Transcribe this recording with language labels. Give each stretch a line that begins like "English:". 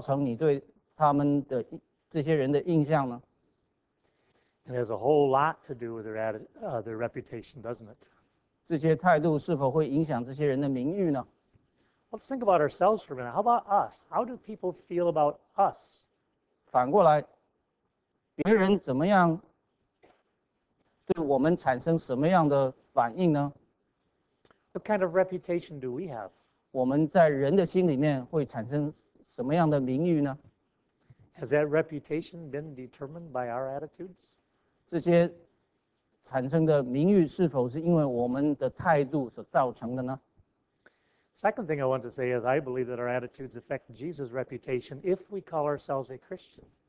Chinese: 你这种感受是否造成你对他们的这些人的印象呢？
English: It has a whole lot to do with their reputation, doesn't it?
Chinese: 这些态度是否会影响这些人的名誉呢？
English: Let's think about ourselves for a minute. How about us? How do people feel about us?
Chinese: 反过来，别人怎么样对我们产生什么样的反应呢？
English: What kind of reputation do we have?
Chinese: 我们在人的心里面会产生什么样的名誉呢？
English: Has that reputation been determined by our attitudes?
Chinese: 这些产生的名誉是否是因为我们的态度所造成的呢？
English: Second thing I want to say is I believe that our attitudes affect Jesus' reputation if we call ourselves a Christian.